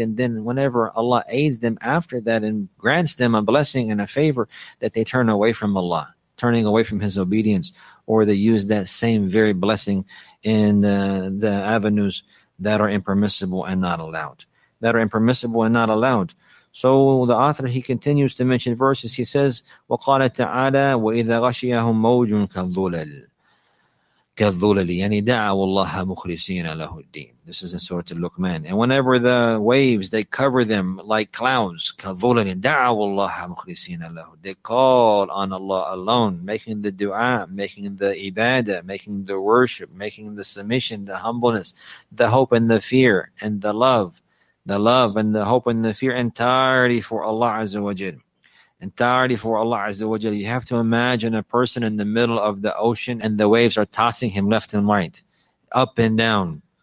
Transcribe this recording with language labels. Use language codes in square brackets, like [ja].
[en] And then whenever Allah aids them after that and grants them a blessing and a favor, that they turn away from Allah, turning away from His obedience, or they use that same very blessing in the avenues that are impermissible and not allowed. That are impermissible and not allowed. So the author, he continues to mention verses. He says, [ar] وَقَالَ تَعَالَى وَإِذَا غَشِيَهُمْ مَوْجٌ كَالظُّلَلِ. كالظلل يعني دعوا الله مخلصين له الدين. [en] This is in Surah Luqman. And whenever the waves, they cover them like clouds. [ar] كالظلل دعوا الله مخلصين له. [en] They call on Allah alone, making the dua, making the ibadah, making the worship, making the submission, the humbleness, the hope and the fear and the love. The love and the hope and the fear entirely for Allah Azza wa Jal. Entirely for Allah Azza wa Jal. You have to imagine a person in the middle of the ocean and the waves are tossing him left and right, up and down.